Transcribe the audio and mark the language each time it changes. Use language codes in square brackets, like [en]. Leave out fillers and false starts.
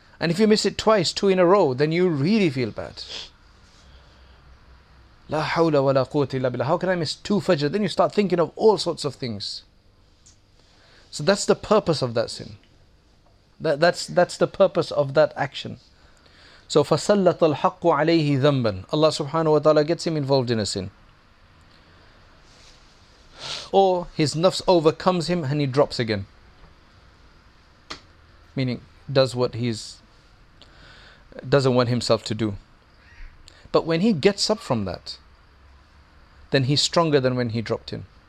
[en] And if you miss it twice, two in a row, then you really feel bad. La hawla wa la quwwata illa billah. How can I miss two Fajr? Then you start thinking of all sorts of things. So that's the purpose of that sin. That's the purpose of that action. [ar] So, فَسَلَّطَ الْحَقُّ عَلَيْهِ ذَنْبًا. [en] Allah subhanahu wa ta'ala gets him involved in a sin. Or his nafs overcomes him and he drops again. Meaning, does what he's doesn't want himself to do. But when he gets up from that, then he's stronger than when he dropped in.